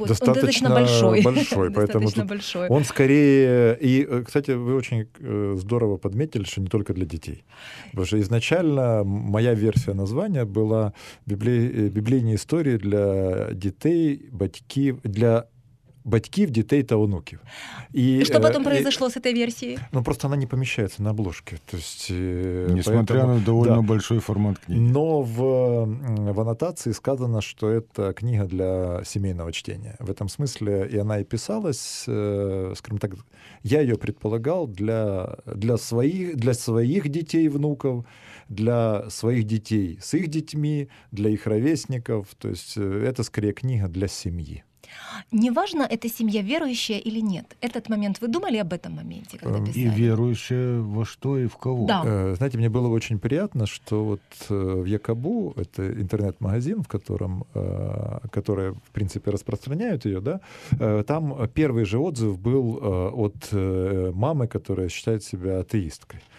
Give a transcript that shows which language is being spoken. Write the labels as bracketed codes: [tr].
[ru] он достаточно большой. Большой, поэтому достаточно большой. Он скорее... И, кстати, вы очень здорово подметили, что не только для детей. Потому что изначально моя версия названия была «Библейные истории для детей, батьков, для... [uk] батьків, дітей та онуків. І що потім произошло з цією версією? Ну, просто вона не поміщається на обложці. Тобто, несмотря на доволі великий формат книги. Но в аннотації сказано, що це книга для сімейного чтення. В цьому смислі, і вона і писалась, скажімо так, я її предполагав для своїх дітей і внуків, для своїх дітей з їх дітьми, для їх ровесників. Тобто, це скоріше книга для сім'ї. [ru] Неважно, это семья верующая или нет. Этот момент, вы думали об этом моменте, когда писали? И верующая во что, и в кого? Да. Знаете, мне было очень приятно, что вот в Якобу, это интернет-магазин, в котором, который, в принципе, распространяют ее, да, там первый же отзыв был от мамы, которая считает себя атеисткой.